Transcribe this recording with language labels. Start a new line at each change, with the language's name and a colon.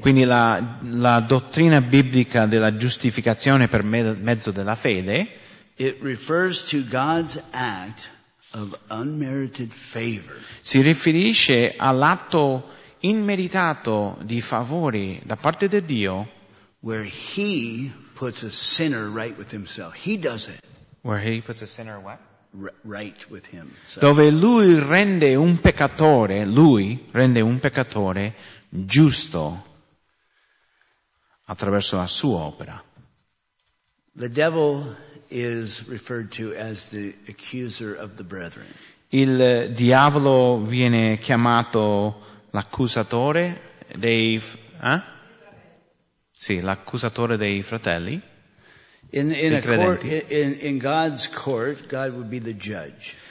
Italian: Quindi la dottrina biblica della giustificazione per mezzo della fede.
English: It refers to God's act of unmerited favor.
Italian: Si riferisce all'atto immeritato di favori da parte di Dio.
English: Where he puts a sinner right with himself. He does it. Where he puts a sinner what? Right with him. So.
Italian: Dove lui rende un peccatore, giusto attraverso la sua opera.
English: The devil is referred to as the accuser of the brethren.
Italian: Il diavolo viene chiamato l'accusatore dei Sì, l'accusatore dei fratelli.
English: In God's court, God would be the judge.